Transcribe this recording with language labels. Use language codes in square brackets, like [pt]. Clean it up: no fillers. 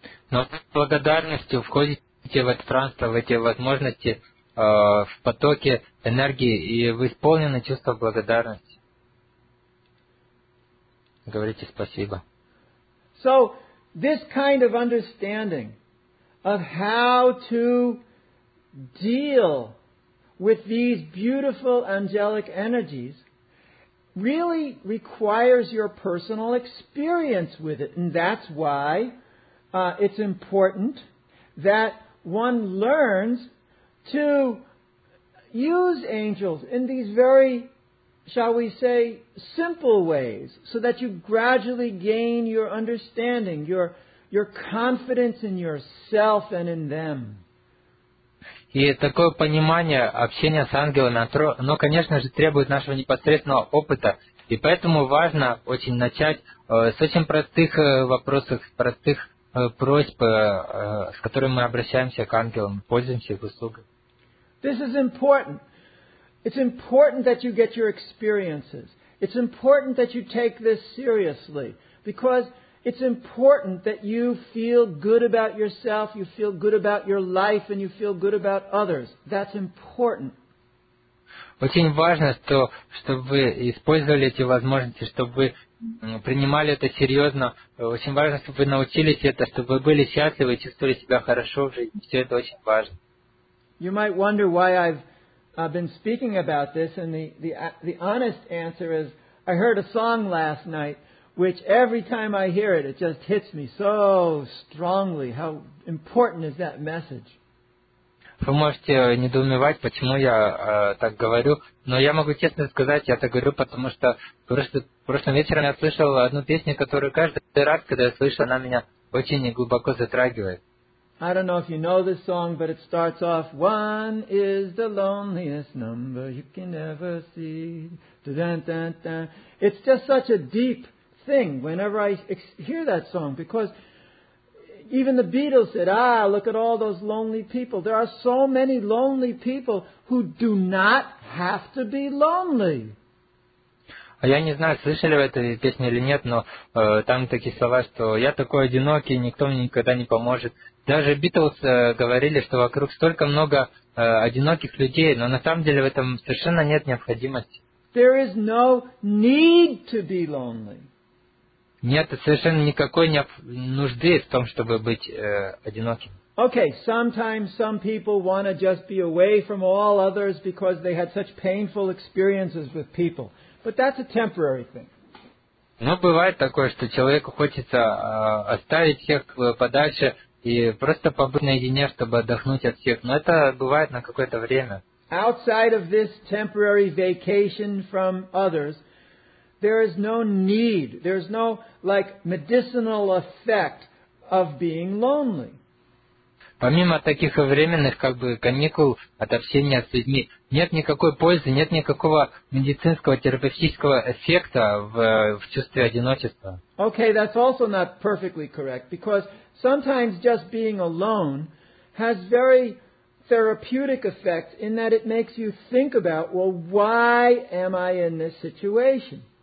[ru] Но с благодарностью входите в это пространство, в эти возможности, в потоке энергии, и вы исполнены чувство благодарности. Говорите спасибо. [en] So, this kind of understanding of how to deal with these beautiful angelic energies really requires your personal experience with it. And that's why it's important that one learns to use angels in these very, shall we say, simple ways, so that you gradually gain your understanding, your confidence in yourself and in them. [ru] И такое понимание общения с ангелами, оно, конечно же, требует нашего непосредственного опыта. И поэтому важно очень начать с очень простых вопросов, простых просьб, с которыми мы обращаемся к ангелам, пользуемся их услугами. [en] This is important. It's important that you get your experiences. It's important that you take this seriously. Because it's important that you feel good about yourself, you feel good about your life, and you feel good about others. That's important. [ru] Очень важно, чтобы вы использовали эти возможности, чтобы вы принимали это серьезно. Очень важно, чтобы вы научились это, чтобы вы были счастливы и чувствовали себя хорошо в жизни. Все это очень важно. [en] You might wonder why I've been speaking about this, and the honest answer is, I heard a song last night, which every time I hear it, it just hits me so strongly. How important is that message? [ru] Вы можете недоумевать, почему я так говорю, но я могу честно сказать, я так говорю, потому что прошлым вечером я слышал одну песню, которую каждый раз, когда я слышу, она меня очень глубоко затрагивает. [en] I don't know if you know this song, but it starts off, one is the loneliest number you can ever see. Da-da-da-da. It's just such a deep thing whenever I hear that song, because even the Beatles said, ah, look at all those lonely people. There are so many lonely people who do not have to be lonely. [ru] Я не знаю, слышали вы эту песню или нет, но там такие слова, что я такой одинокий, никто мне никогда не поможет. Даже Beatles говорили, что вокруг столько много одиноких людей, но на самом деле в этом совершенно нет необходимости. [en] There is no need to be lonely. [ru] Нет совершенно никакой нужды в том, чтобы быть одиноким. [en] Okay, sometimes some people want to just be away from all others because they had such painful experiences with people. But that's a temporary thing. [ru] Ну, бывает такое, что человеку хочется оставить всех подальше и просто побыть наедине, чтобы отдохнуть от всех. Но это бывает на какое-то время. [en] Outside of this temporary vacation from others, there is no need, there is no, like, medicinal effect of being lonely. [ru] Помимо таких временных, как бы, каникул от общения с людьми, нет никакой пользы, нет никакого медицинского, терапевтического эффекта в чувстве одиночества. [en] Okay, that's also not perfectly correct, because sometimes just being alone has very therapeutic effect in that it makes you think about, well, why am I in this situation?